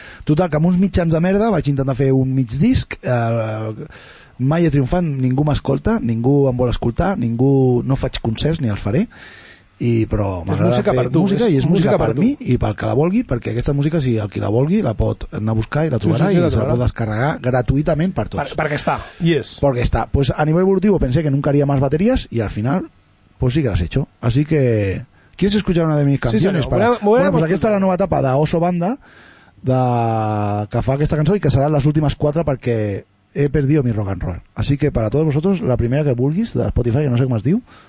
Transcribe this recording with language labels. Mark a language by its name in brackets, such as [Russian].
[Catalan] Total, que amb uns mitjans de merda vaig intentar fer un mig disc, mai he triomfat, ningú m'escolta, ningú em vol escoltar, ningú, no faig concerts ni els faré. I però m'agrada fer per tu, música, i és música per mi i pel que la vulgui, perquè aquesta música, si el qui la vulgui, la pot anar a buscar i la trobarà, sí, sí, sí, i se la pot descarregar gratuïtament per tots. Perquè està, i és. Perquè està. [Spanish] Pues [Catalan] a nivell evolutiu [Spanish] pensé que nunca haría más baterías i al final, pues sí que las he hecho. Así que, ¿quieres escuchar una de mis canciones? [Catalan] Sí, senyor. Bueno, pues aquesta és la nova etapa d'Oso Banda, de... que fa aquesta cançó i que seran les últimes quatre perquè... [Spanish] he perdido mi rock and roll. Así que para todos vosotros, [Catalan] la primera que vulguis de Spotify, que no sé com es diu.